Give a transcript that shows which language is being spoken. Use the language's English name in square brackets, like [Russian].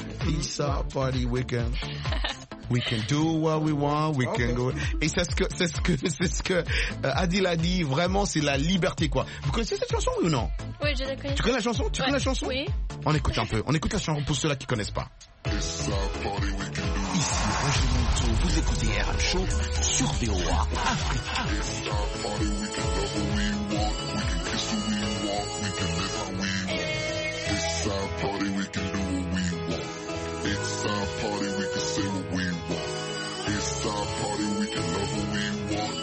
[English] This our party, we can do what we want. [French] Et c'est ce que Adil a dit, vraiment, c'est la liberté, quoi. Vous connaissez cette chanson, oui ou non? Oui, je la connais. Tu connais la chanson? Oui. On écoute un peu. On écoute la chanson pour ceux-là qui connaissent pas. [English] It's our party, we can do. [French] Ici Roger Monto, vous écoutez RM Show sur VOA Africa. [English] It's our party, we can love who we want. We can kiss who we want. We can live how we want. It's our party, we can do what we want. It's our party, we can say what we want. It's our party, we can love who we want.